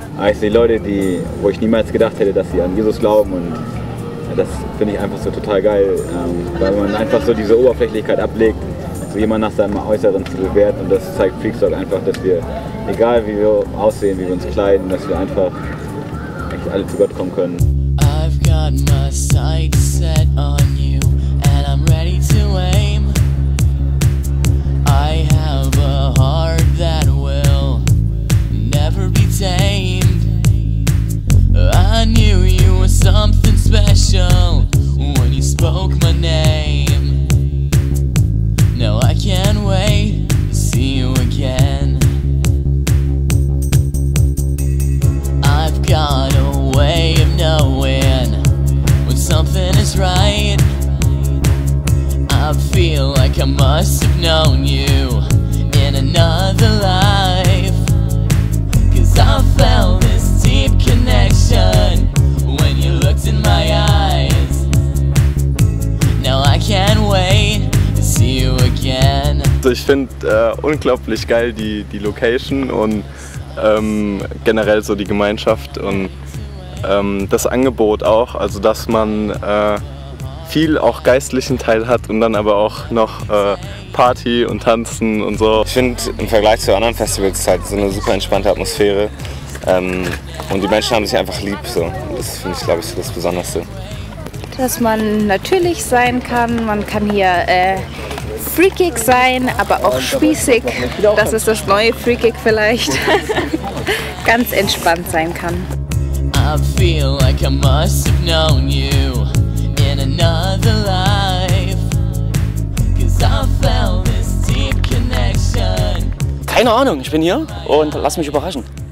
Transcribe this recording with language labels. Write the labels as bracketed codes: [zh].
[de] Ich sehe Leute, wo ich niemals gedacht hätte, dass sie an Jesus glauben. Und das finde ich einfach so total geil, weil man einfach so diese Oberflächlichkeit ablegt, so jemand nach seinem Äußeren zu bewerten. Und das zeigt Freakstock einfach, dass wir, egal wie wir aussehen, wie wir uns kleiden, dass wir einfach echt alle zu Gott kommen können. [en] I've got my sights set on you and I'm ready to aim. I have a heart that will never be tamed. I knew you were something special when you spoke my name. Now I can't wait to see you again. I've got a way of knowing when something is right. I feel like I must have known you in another life. 'Cause I felt this deep connection when you looked in my eyes. Now I can't wait to see you again. [de] So, ich finde unglaublich geil die Location und generell so die Gemeinschaft und das Angebot auch, also dass man viel auch geistlichen Teil hat und dann aber auch noch Party und Tanzen und so. Ich finde im Vergleich zu anderen Festivals ist halt so eine super entspannte Atmosphäre und die Menschen haben sich einfach lieb. So. Das finde ich, glaube ich, das Besonderste. Dass man natürlich sein kann, man kann hier freakig sein, aber auch spießig. Das ist das neue Freakig vielleicht. Ganz entspannt sein kann. [en] I feel like I must have known you in another life. 'Cause I felt this deep connection. [de] Keine Ahnung, ich bin hier und lass mich überraschen.